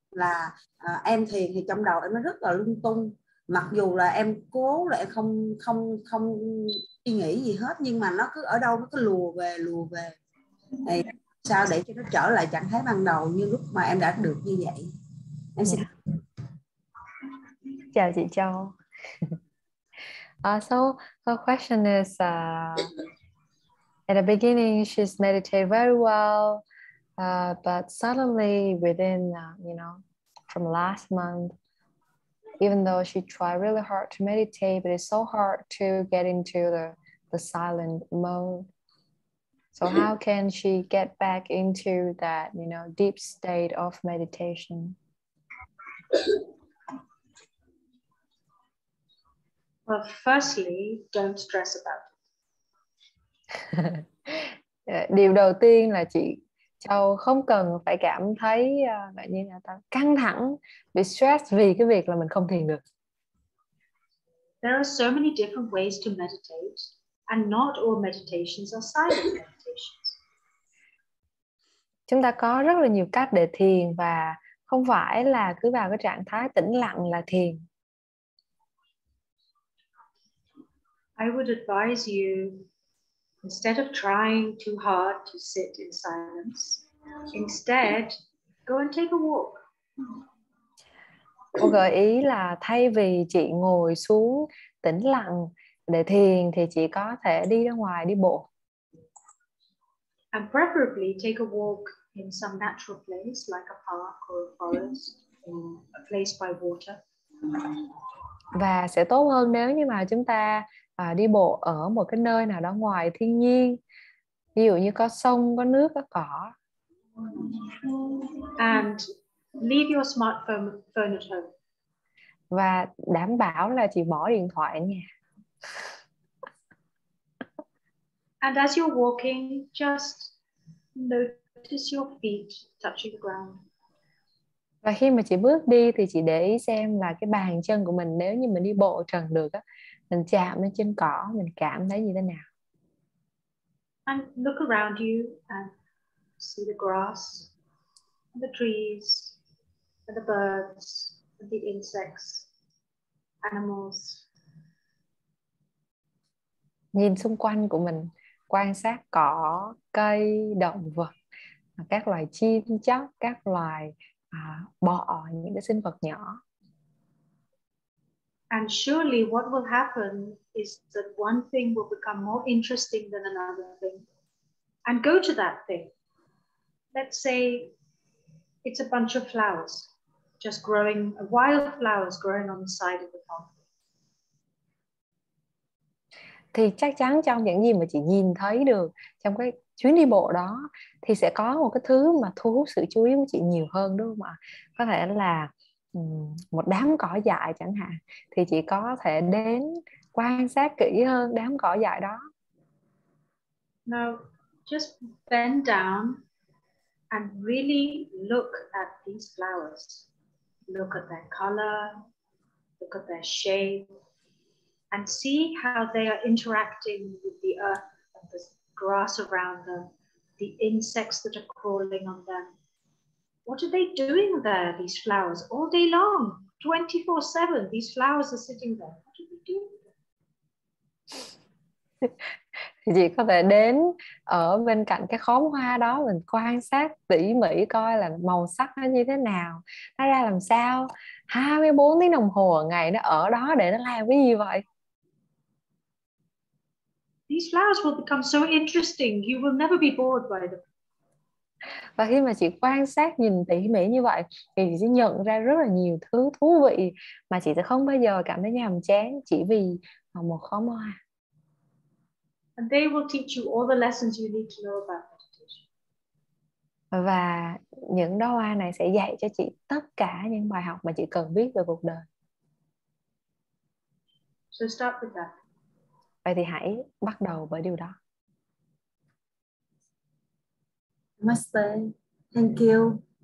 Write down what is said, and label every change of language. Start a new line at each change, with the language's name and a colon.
Vietnamese: là em thiền thì trong đầu em nó rất là lung tung, mặc dù là em cố là em không không không suy nghĩ gì hết, nhưng mà nó cứ ở đâu nó cứ lùa về thì sao để cho nó trở lại trạng thái ban đầu như lúc mà em đã được như vậy em sẽ... Chào chị Châu.
English: So her question is, at the beginning she's meditated very well, but suddenly within from last month, even though she tried really hard to meditate, but it's so hard to get into the silent mode. So how can she get back into that deep state of meditation? Well, firstly, don't stress about it.
Vietnamese: Điều đầu tiên là chị Châu không cần phải cảm thấy căng thẳng, bị stress vì cái việc là mình không thiền được.
English: There are so many different ways to meditate, and not all meditations are silent meditations.
Vietnamese: Chúng ta có rất là nhiều cách để thiền và không phải là cứ vào cái trạng thái tĩnh lặng là thiền.
English: I would advise you, instead of trying too hard to sit in silence, instead go and take a walk.
Vietnamese: Cô gợi ý là thay vì chị ngồi xuống tĩnh lặng để thiền thì chị có thể đi ra ngoài đi bộ.
English: And preferably take a walk in some natural place like a park or a forest or a place by water.
Vietnamese: Và sẽ tốt hơn nếu như mà chúng ta đi bộ ở một cái nơi nào đó ngoài thiên nhiên, ví dụ như có sông, có nước, có cỏ.
English: And leave your smartphone at home.
Vietnamese: Và đảm bảo là chị bỏ điện thoại ở nhà.
English: And as you're walking, just notice your feet touching the ground.
Vietnamese: Và khi mà chị bước đi thì chị để ý xem là cái bàn chân của mình, nếu như mình đi bộ trần được á, mình chạm lên trên cỏ, mình cảm thấy như thế nào.
English: And look around you and see the grass, and the trees, and the birds, and the insects, animals.
Vietnamese: Nhìn xung quanh của mình, quan sát cỏ, cây, động vật, các loài chim chóc, các loài bọ, những cái sinh vật nhỏ.
English: And surely what will happen is that one thing will become more interesting than another thing. And go to that thing. Let's say it's a bunch of flowers, just growing, wild flowers growing on the side of the pond.
Vietnamese: Thì chắc chắn trong những gì mà chị nhìn thấy được trong cái chuyến đi bộ đó thì sẽ có một cái thứ mà thu hút sự chú ý của chị nhiều hơn, đúng không ạ? Có thể là một đám cỏ dại chẳng hạn, thì chị có thể đến quan sát kỹ hơn đám cỏ dại đó.
English: Now, just bend down and really look at these flowers. Look at their color, look at their shape, and see how they are interacting with the earth and the grass around them, the insects that are crawling on them. What are they doing there, these flowers, all day long, 24/7, these flowers are sitting there. What are they doing there?
Vietnamese: Chị có thể đến ở bên cạnh cái khóm hoa đó, mình quan sát tỉ mỉ coi là màu sắc nó như thế nào, nó ra làm sao, 24 tiếng đồng hồ ngày nó ở đó để nó làm cái gì vậy?
English: These flowers will become so interesting, you will never be bored by them.
Vietnamese: Và khi mà chị quan sát nhìn tỉ mỉ như vậy thì chị sẽ nhận ra rất là nhiều thứ thú vị mà chị sẽ không bao giờ cảm thấy nhàm chán chỉ vì một khóm hoa.
English: And they will teach you all the lessons you need to know about meditation.
Vietnamese: Và những đóa hoa này sẽ dạy cho chị tất cả những bài học mà chị cần biết về cuộc đời.
English: So start with that.
Vietnamese: Vậy thì hãy bắt đầu bởi điều đó.
English: Namaste. Thank you.